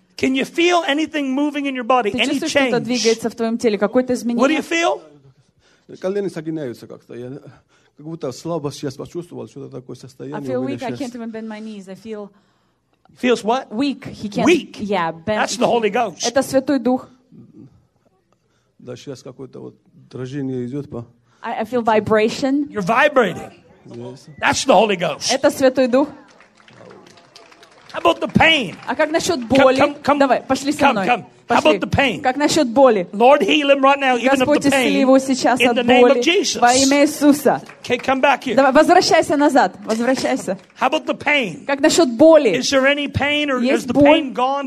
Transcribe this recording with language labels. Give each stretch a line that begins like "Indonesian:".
English: Can you feel anything moving in your body? Any change?
Russian: Ты чувствуешь, что-то двигается в твоем теле? Какое-то изменение?
English: What do you feel?
Russian: Колени согинаются как-то. Я как будто слабо сейчас почувствовал, что-то такое состояние.
English: I feel weak. I can't even bend my knees. I feel feels what? Weak. He can't. Weak. Yeah, bend. That's the Holy Ghost.
Russian: Это Святой Дух. Да, сейчас какое-то вот дрожение идет по.
English: I feel vibration. You're vibrating. Yes. That's the Holy Ghost.
Russian: Это Святой Дух.
English: How about the pain?
Russian: А как насчет боли? Давай, пошли со мной.
English: How about the pain?
Russian: Как насчет боли?
English: Lord, heal him right now, even of the pain.
Russian: Его сейчас
English: in
Russian: от
English: the
Russian: боли.
English: Name of Jesus.
Russian: Во имя Иисуса.
English: Okay, come back here.
Russian: Давай, возвращайся назад. Возвращайся.
English: How about the pain?
Russian: Как насчет боли?
English: Is there any pain or is the pain gone?